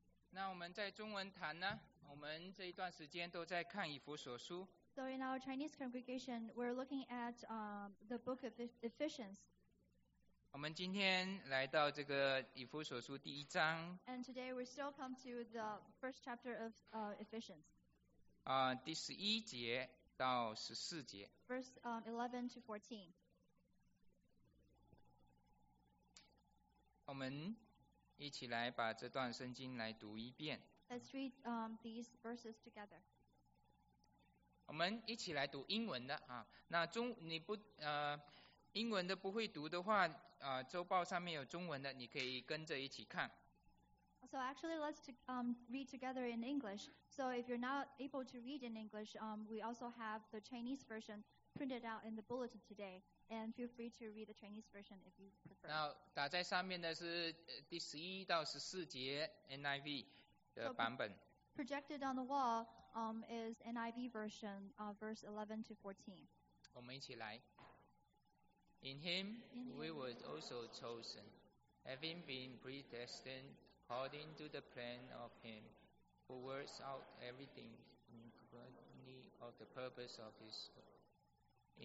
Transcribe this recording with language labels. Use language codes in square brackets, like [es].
[zh] 那我们在中文坛呢，我们这一段时间都在看以弗所书。 [en] So in our Chinese congregation, we're looking at the book of Ephesians. [zh] 我们今天来到这个以弗所书第一章。 [en] And today we still come to the first chapter of Ephesians. [zh] 第十一节到十四节。 [en] Verse 11 to 14. [zh] 我们一起来把这段圣经来读一遍。 [en] Let's read these verses together. [zh] 我们一起来读英文的啊。那中你不英文的不会读的话，周报上面有中文的，你可以跟着一起看。 [en] So actually, let's read together in English. So if you're not able to read in English, we also have the Chinese version printed out in the bulletin today. And feel free to read the Chinese version if you prefer. [zh] 那打在上面的是第十一到十四节 NIV 的版本。 [en] Projected on the wall, is NIV version, verse 11 to 14. [zh] 我们一起来。 [en] In him we were also chosen, having been predestined according to the plan of him, who works out everything in accordance of the purpose of his will.